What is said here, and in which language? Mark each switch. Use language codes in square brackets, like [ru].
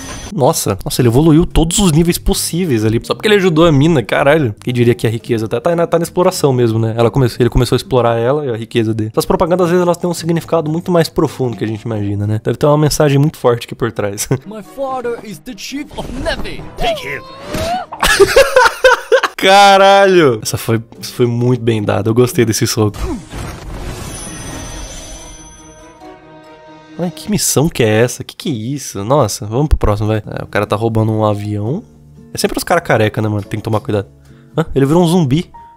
[pt] Nossa, nossa, ele evoluiu todos os níveis possíveis ali. Só porque ele ajudou a mina, caralho. Quem diria que a riqueza tá na exploração mesmo, né? Ele começou a explorar ela e a riqueza dele. Essas propagandas, às vezes, elas têm um significado muito mais profundo que a gente imagina, né? Deve ter uma mensagem muito forte aqui por trás. [en] My father is the chief of Navy. Take him. [pt] Caralho! Essa foi muito bem dada. Eu gostei desse soco. Ai, que missão que é essa? Que é isso? Nossa, vamos pro próximo, vai. É, o cara tá roubando um avião. É sempre os caras careca, né, mano? Tem que tomar cuidado. Hã? Ele virou um zumbi.